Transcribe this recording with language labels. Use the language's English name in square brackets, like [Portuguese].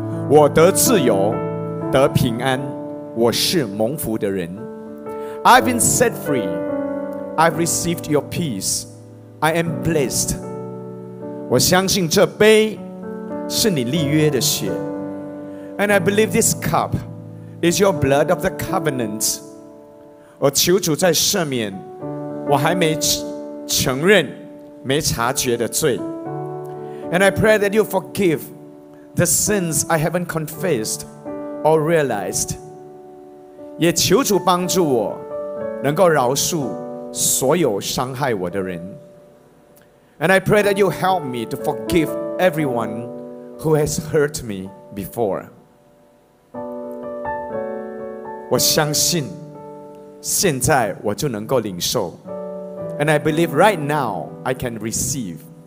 [Chinese] 我得自由，得平安，我是蒙福的人。 [English] I've been set free. I've received your peace. I am blessed. [Chinese] 我相信这杯是你立约的血。 [English] And I believe this cup is your blood of the covenant. [Chinese] 我求主在赦免我还没承认、没察觉的罪。 [English] And I pray that you forgive the sins I haven't confessed or realized. [Chinese] 也求主帮助我能够饶恕所有伤害我的人。 [English] And I pray that you help me to forgive everyone who has hurt me before. [Chinese] 我相信现在我就能够领受。 [English] And I believe right now I can receive.